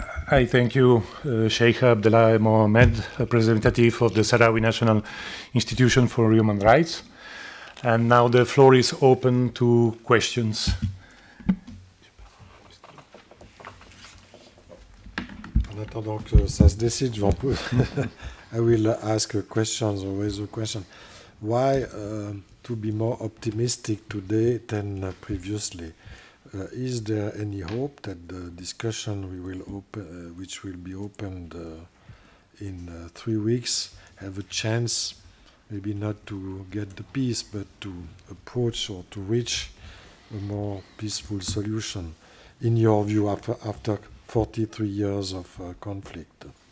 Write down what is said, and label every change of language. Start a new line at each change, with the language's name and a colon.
English: I thank you, Sheikh Abdullah Mohamed, representative of the Sahrawi National Institution for Human Rights. And now the floor is open to questions.
French: En attendant que ça se décide, je vais en
English: I will ask questions or raise a question. Why to be more optimistic today than previously? Is there any hope that the discussion we will open, which will be opened in 3 weeks, have a chance, maybe not to get the peace, but to approach or to reach a more peaceful solution, in your view, after 43 years of conflict?